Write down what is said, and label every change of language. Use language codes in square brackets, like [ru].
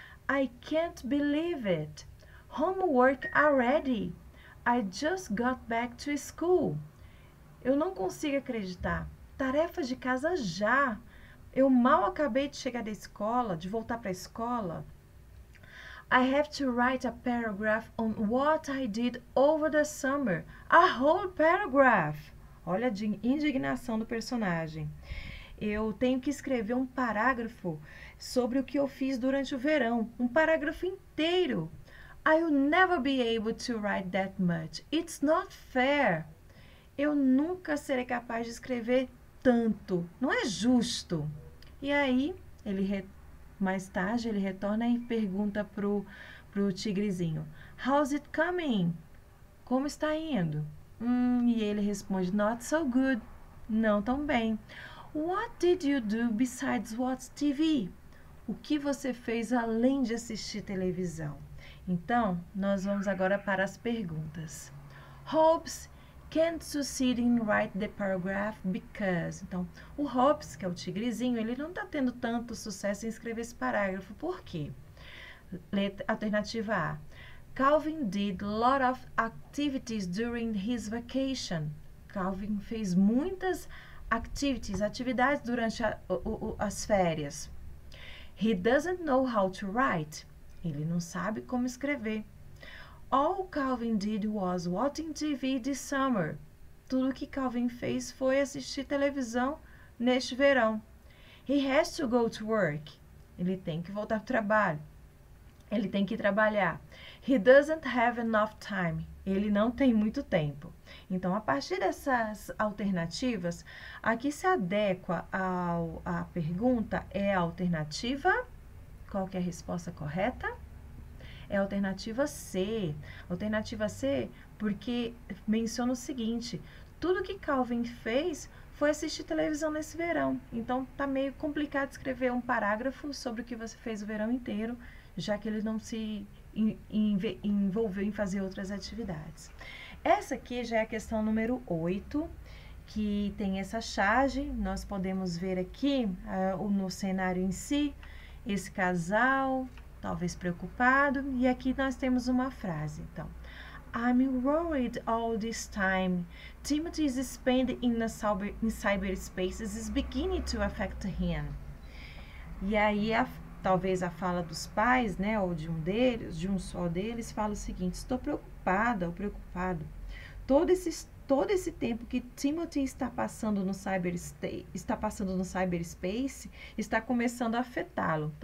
[en] I can't believe it! Homework already. I just got back to school. [pt] Eu não consigo acreditar. Tarefa de casa já. Eu mal acabei de chegar da escola, de voltar para a escola. [en] I have to write a paragraph on what I did over the summer. A whole paragraph. [pt] Olha a indignação do personagem. Eu tenho que escrever um parágrafo sobre o que eu fiz durante o verão. Um parágrafo inteiro. [en] I'll never be able to write that much. It's not fair. [pt] Eu nunca serei capaz de escrever tanto. Não é justo. E aí, mais tarde, ele retorna e pergunta pro tigrezinho: [en] How's it coming? [pt] Como está indo? E ele responde: [en] Not so good. [pt] Não tão bem. [en] What did you do besides watch TV? [pt] O que você fez além de assistir televisão? Então, nós vamos agora para as perguntas. [en] Hobbes can't succeed in write the paragraph because. [pt] Então, o Hobbes, que é o tigrezinho, ele não está tendo tanto sucesso em escrever esse parágrafo. Por quê? Alternativa A. [en] Calvin did lot of activities during his vacation. [pt] Calvin fez muitas atividades durante as férias. [en] He doesn't know how to write. [pt] Ele não sabe como escrever. [en] All Calvin did was watching TV this summer. [pt] Tudo que Calvin fez foi assistir televisão neste verão. [en] He has to go to work. [pt] Ele tem que voltar ao trabalho. Ele tem que trabalhar. [en] He doesn't have enough time. [pt] Ele não tem muito tempo. Então, a partir dessas alternativas, a que se adequa à pergunta é a alternativa. Qual que é a resposta correta? É a alternativa C. Alternativa C, porque menciona o seguinte: tudo que Calvin fez foi assistir televisão nesse verão. Então, tá meio complicado escrever um parágrafo sobre o que você fez o verão inteiro, já que ele não se envolveu em fazer outras atividades. Essa aqui já é a questão número 8, que tem essa charge. Nós podemos ver aqui, no cenário em si, esse casal, talvez preocupado, e aqui nós temos uma frase. [en] Então, I'm worried all this time. Timothy's spending in the cyberspaces is beginning to affect him. [pt] E aí, talvez a fala dos pais, né, ou de um deles, de um só deles, fala o seguinte: estou preocupada ou preocupado. Todo esse tempo que Timothy está passando no cyberspace está começando a afetá-lo.